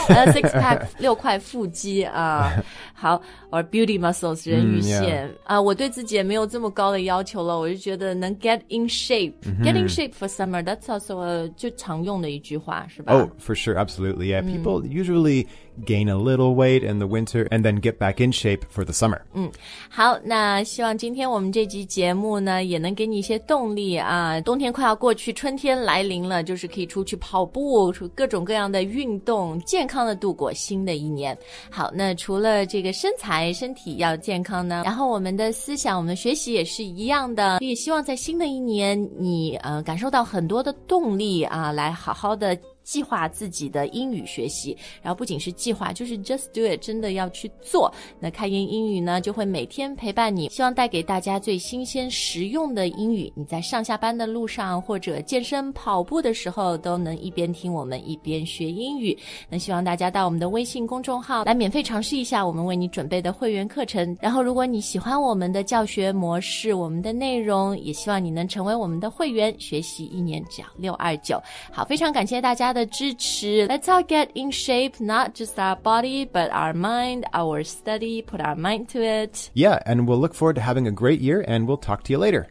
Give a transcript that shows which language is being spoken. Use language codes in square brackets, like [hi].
[zh] six-pack, 六块腹肌啊。好 or beauty muscles, 人鱼线。我对自己也没有这么高的要求了我就觉得能 [en] get in shape.、Mm-hmm. Get in shape for summer, that's also a [zh] 就常用的一句话是吧 [en] Oh, for sure, absolutely. Yeah, people usually gain a little weight in the winter and then get back in shape for the summer. [zh] 好那希望今天我们这集节目呢也能给你一些动力啊。冬天快要过去春天来临了就是可以出去跑步出各种各样的运动健康的度过新的一年好那除了这个身材身体要健康呢然后我们的思想我们学习也是一样的也希望在新的一年你感受到很多的动力啊，来好好的计划自己的英语学习，然后不仅是计划，就是 [en] just do it, [zh] 真的要去做。那开言英语呢，就会每天陪伴你，希望带给大家最新鲜实用的英语，你在上下班的路上或者健身跑步的时候都能一边听我们一边学英语。那希望大家到我们的微信公众号来免费尝试一下我们为你准备的会员课程，然后如果你喜欢我们的教学模式，我们的内容，也希望你能成为我们的会员，学习一年只要629。好，非常感谢大家的支持。 [en] Let's all get in shape, not just our body, but our mind, our study, put our mind to it. Yeah, and we'll look forward to having a great year, and we'll talk to you later.